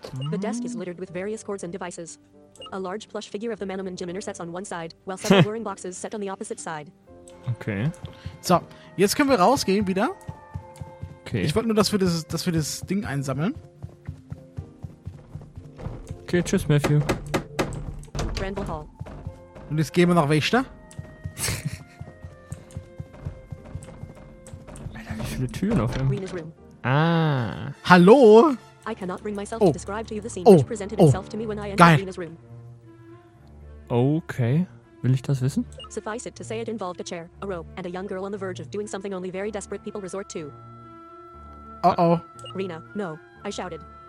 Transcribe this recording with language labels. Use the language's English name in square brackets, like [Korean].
[English] The desk is littered with various cords and devices. A large plush figure of the Manoman Jim intersets on one side, while several whirring boxes set on the opposite side. Okay. [German] So, jetzt können wir rausgehen wieder. Okay. Ich wollte nur, dass wir das Ding einsammeln. Okay, tschüss, Matthew. [English] Granville Hall. [German] Und jetzt gehen wir nach Wächter. Alter, wie viele Türen auf dem... Ah. Hallo? [English] I cannot bring myself to describe to you the scene which presented itself to me when I entered Rina's room. [German] Okay. Will ich das wissen? [English] Suffice it to say it involved a chair, a rope, and a young girl on the verge of doing something only very desperate people resort to. Uh-oh. Rina, no. I shouted.